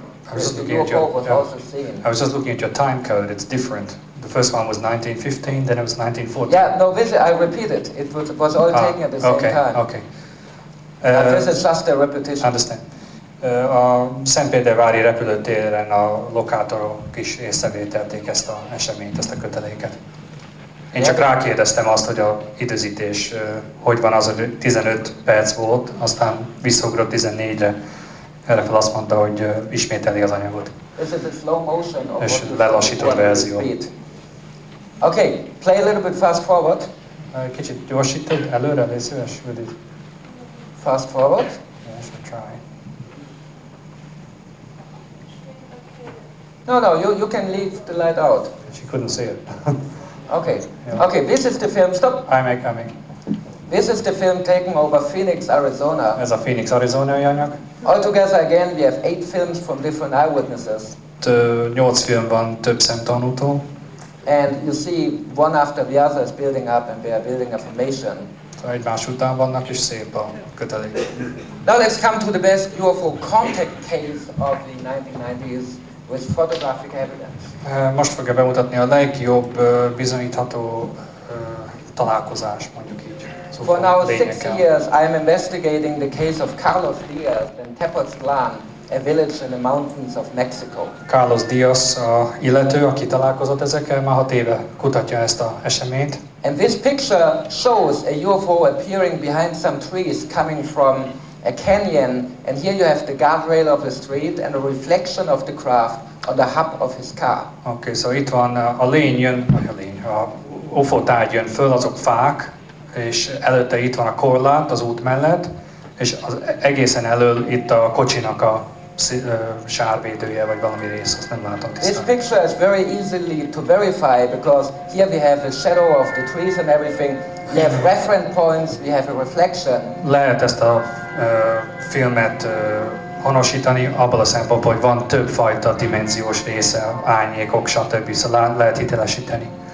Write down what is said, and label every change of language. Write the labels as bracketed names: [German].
[English] I was just looking at your time code, it's different. The first one was 1915, then it was 1914. Yeah, no, I repeat it. It was all taken at the same time. Okay. This is just a repetition. Understand. [Hungarian] A Szentpétervári repülőtéren a lokátorok is észrevételték ezt az eseményt, ezt a köteléket. Én csak rákérdeztem azt, hogy a időzítés, hogy van az, hogy 15 perc volt, aztán visszaugrott 14-re. Erre fel azt mondta, hogy ismételi az anyagot. [English] This is a slow motion of [Hungarian] és lelassított verzió. [English] Okay, play a little bit fast forward. [Hungarian] Kicsit gyorsítod előre, légy szíves, [English] would it? Fast forward. Yeah, I should try. No, no, you can leave the light out. She couldn't see it. Okay, yeah. Okay, this is the film, stop. I'm coming. This is the film taken over Phoenix, Arizona. [Hungarian] Ez a Phoenix, Arizona-i anyag. [English] Altogether again, we have 8 films from different eyewitnesses. [Hungarian] 8 film van több szemtanútól. [English] And you see, one after the other is building up, and we are building a formation. [Hungarian] Egymás után vannak, és szép a kötelék. [English] Now let's come to the best UFO contact case of the 1990s with photographic evidence. [Hungarian] Most fogja bemutatni a legjobb bizonyítható találkozás, mondjuk így. [English] For now 6 years, I am investigating the case of Carlos Diaz in Tepoztlán, a village in the mountains of Mexico. [Hungarian] Carlos Diaz, a illető, aki találkozott ezekkel, már 6 éve kutatja ezt az eseményt. [English] And this picture shows a UFO appearing behind some trees coming from a canyon. And here you have the guardrail of the street and a reflection of the craft on the hub of his car. Okay, so [Hungarian] itt van a lény jön, vagy a lény, a UFO tárgy jön föl, azok fák, és előtte itt van a korlát az út mellett, és az egészen elől itt a kocsinak a sárvédője, vagy valami rész, azt nem látom tisztán. [English] This picture is very easily to verify, because here we have a shadow of the trees and everything, we have reference points, we have a reflection. [Hungarian] Lehet ezt a filmet honosítani abban a szempontból, hogy van több fajta dimenziós része, árnyékok, stb. Szóval lehet hitelesíteni.